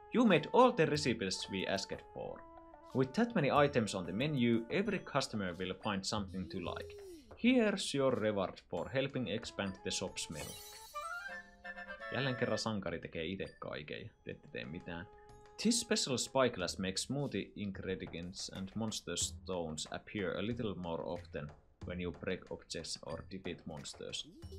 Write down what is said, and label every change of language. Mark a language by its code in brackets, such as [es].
[en] You made all the recipes we asked for. With that many items on the menu, every customer will find something to like. Here's your reward for helping expand the shop's milk. [fi] Jälleen kerran sankari tekee itse kaiken, ette tee mitään. [en] This special spyglass makes smoothie ingredients and monster stones appear a little more often when you break objects or defeat monsters.